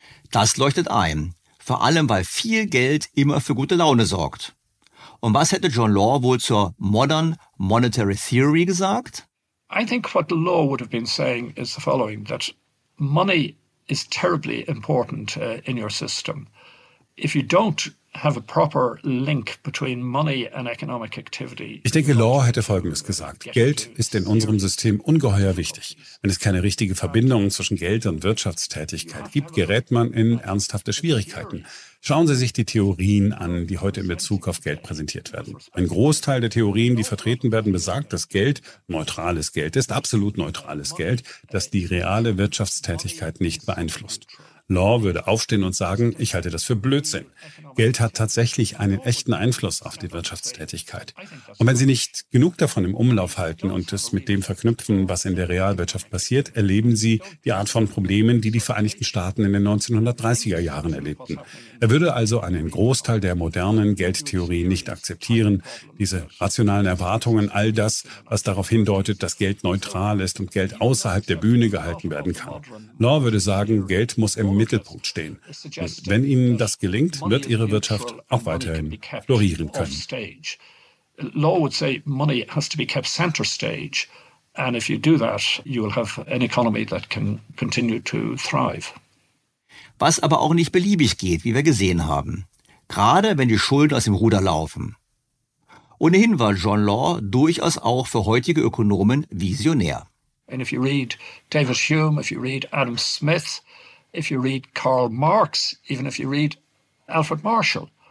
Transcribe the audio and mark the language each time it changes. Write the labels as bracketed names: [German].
[German] Das leuchtet ein, vor allem weil viel Geld immer für gute Laune sorgt. Und was hätte John Law wohl zur Modern Monetary Theory gesagt? [English] I think what Law would have been saying is the following, that money is terribly important in your system. If you don't have a proper link between money and economic activity. [German] Ich denke, Law hätte Folgendes gesagt. Geld ist in unserem System ungeheuer wichtig. Wenn es keine richtige Verbindung zwischen Geld und Wirtschaftstätigkeit gibt, gerät man in ernsthafte Schwierigkeiten. Schauen Sie sich die Theorien an, die heute in Bezug auf Geld präsentiert werden. Ein Großteil der Theorien, die vertreten werden, besagt, dass Geld neutrales Geld ist, absolut neutrales Geld, das die reale Wirtschaftstätigkeit nicht beeinflusst. Law würde aufstehen und sagen, ich halte das für Blödsinn. Geld hat tatsächlich einen echten Einfluss auf die Wirtschaftstätigkeit. Und wenn Sie nicht genug davon im Umlauf halten und es mit dem verknüpfen, was in der Realwirtschaft passiert, erleben Sie die Art von Problemen, die die Vereinigten Staaten in den 1930er Jahren erlebten. Er würde also einen Großteil der modernen Geldtheorie nicht akzeptieren. Diese rationalen Erwartungen, all das, was darauf hindeutet, dass Geld neutral ist und Geld außerhalb der Bühne gehalten werden kann. Law würde sagen, Geld muss im Mittelpunkt stehen. Und wenn Ihnen das gelingt, wird Ihre Wirtschaft auch weiterhin florieren können. [English] Law would say money has to be kept center stage, and if you do that, you will have an economy that can continue to thrive. [German] Was aber auch nicht beliebig geht, wie wir gesehen haben. Gerade wenn die Schulden aus dem Ruder laufen. Ohnehin war John Law durchaus auch für heutige Ökonomen visionär. [English] And if you read David Hume, if you read Adam Smith, if you read Karl Marx, even if you read Alfred Marshall.